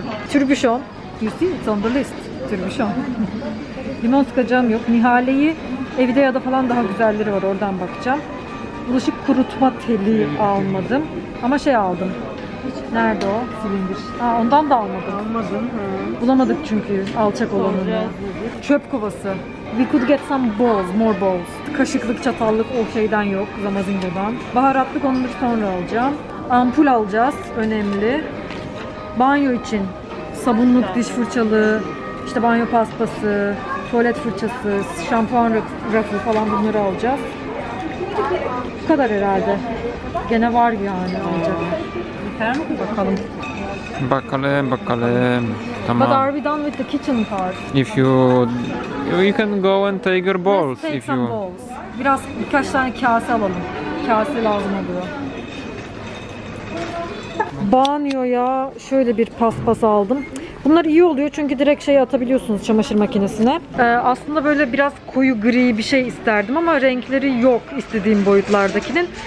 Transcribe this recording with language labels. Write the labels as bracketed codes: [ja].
[tr] Türbüşon. [en] You see it's on the list. [tr] Türbüşon. Limon sıkacağım yok. Nihale'yi evde ya da falan daha güzelleri var. Oradan bakacağım. Bulaşık kurutma teli almadım. Ama şey aldım. Nerede o? Silindir. Aa, ondan da almadım. Almadım. Bulamadık çünkü alçak olanını. Çöp kovası. [en] We could get some bowls, more bowls. [tr] Kaşıklık, çatallık o şeyden yok. Zamazingo'dan. Baharatlık onları sonra alacağım. Ampul alacağız. Önemli. Banyo için. Sabunluk, diş fırçalı, işte banyo paspası, tuvalet fırçası, şampuan rafı falan bunları alacağız. Bu kadar herhalde. Gene var yani alacak. Bakalım. Bakalım. Tamam. [en] But are we done with the kitchen part? If you can go and take your bowls. Let's take if some you... bowls. [tr] Biraz birkaç tane kase alalım. Kase lazım oluyor. Banyoya şöyle bir paspas aldım. Bunlar iyi oluyor çünkü direkt şeyi atabiliyorsunuz çamaşır makinesine. Aslında böyle biraz koyu gri bir şey isterdim ama renkleri yok istediğim boyutlardakinin.